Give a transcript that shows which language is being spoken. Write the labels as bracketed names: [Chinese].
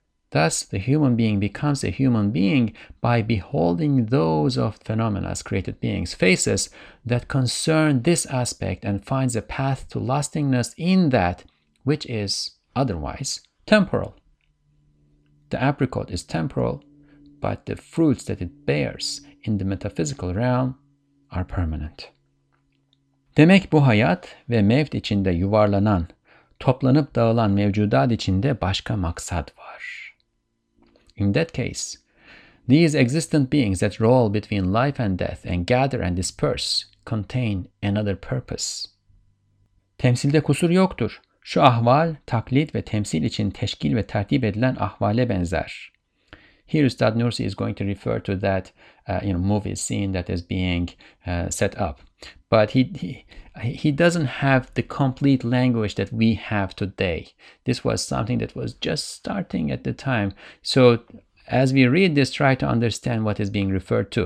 [English] Thus, the human being becomes a human being by beholding those of phenomena as created beings' faces that concern this aspect and finds a path to lastingness in that which is otherwise temporal. The apricot is temporal, but the fruits that it bears in the metaphysical realm are permanent. [Turkish] Demek bu hayat ve mevt içinde yuvarlanan, toplanıp dağılan mevcudat içinde başka maksat var. [English] In that case, these existent beings that roll between life and death and gather and disperse contain another purpose. [Turkish] Temsilde kusur yoktur. Şu ahval, taklit ve temsil için teşkil ve tertip edilen ahvale benzer. [English] Here, Ustad Nursi is going to refer to that movie scene that is being set up. But he doesn't have the complete language that we have today. This was something that was just starting at the time. So as we read this, try to understand what is being referred to.